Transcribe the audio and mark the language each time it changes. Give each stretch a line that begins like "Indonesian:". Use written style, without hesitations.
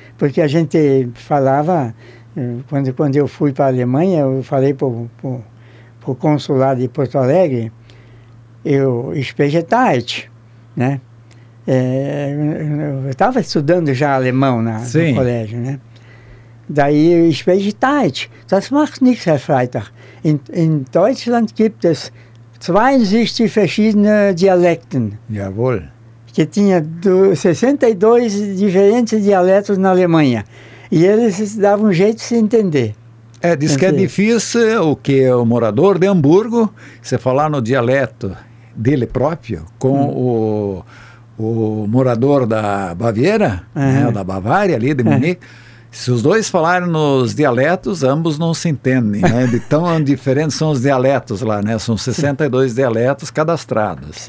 Portuguese: Porque a gente falava, quando eu fui para a Alemanha, eu falei para o consulado de Porto Alegre, eu
German: spreche Deutsch,
Portuguese: né? É, eu estava estudando já alemão no colégio, né? Daí eu
German: spreche Deutsch. Das macht nichts, Herr Freitag. In Deutschland gibt es 62 verschiedene Dialekten. Jawohl.
Portuguese: Que tinha 62 diferentes dialetos na Alemanha. E eles davam um jeito de se entender. É, diz que é difícil o que o morador de Hamburgo, você falar no dialeto dele próprio, com o morador da Baviera, né, da Bavária ali, de Munique, se os dois falarem nos dialetos, ambos não se entendem, né, de tão diferentes são os dialetos lá, né, são 62 dialetos cadastrados.